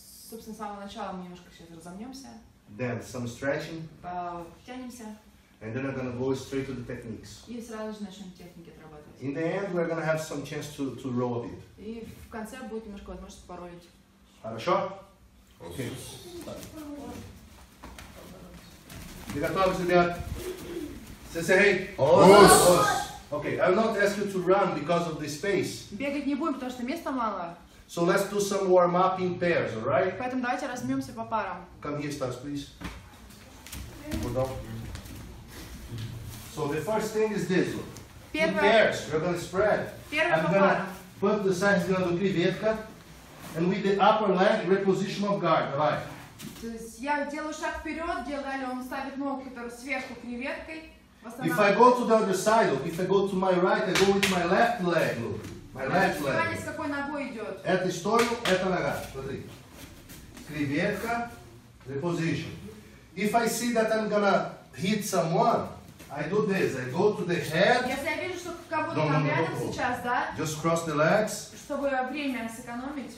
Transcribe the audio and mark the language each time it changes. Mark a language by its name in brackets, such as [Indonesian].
[Russian] Собственно, с самого начала мы немножко сейчас разомнемся. [English] Then some stretching. [Russian] Тянемся. [English] And then we're gonna go straight to the techniques. [Russian] И сразу же начнем техники отрабатывать. [English] In the end, we're gonna have some chance to roll a bit. [Russian] И в конце будет немножко возможность поролить. Хорошо? Okay. Ты готов, ребят? Сэсэй! Ос! [English] Okay, I will not ask you to run because of the space. [Russian] Бегать не будем, потому что места мало. [English] So let's do some warm-up in pairs, alright? [Russian] Поэтому давайте размемся по парам. [English] Come here, Stas, please. Hold on. So the first thing is this. [Russian] Первое... [English] In pairs, we're gonna spread. [Russian] Первое [English] I'm gonna put the sides in the креветка. And with the upper leg, reposition of guard, alright? [Russian] То есть я делаю шаг вперед, делаю, он ставит ногу, которая сверху креветкой. [English] If I go to the other side, look, if I go to my right, I go with my left leg, look. My left leg. [Russian] Внимание, с какой ногой идет. Это сторону, это нога. Смотри. Креветка, reposition. [English] If I see that I'm gonna hit someone, I do this. I go to the head. [Russian] Если я вижу, что кого-то там рядом сейчас, да? [English] Just cross the legs. [Russian] Чтобы время сэкономить.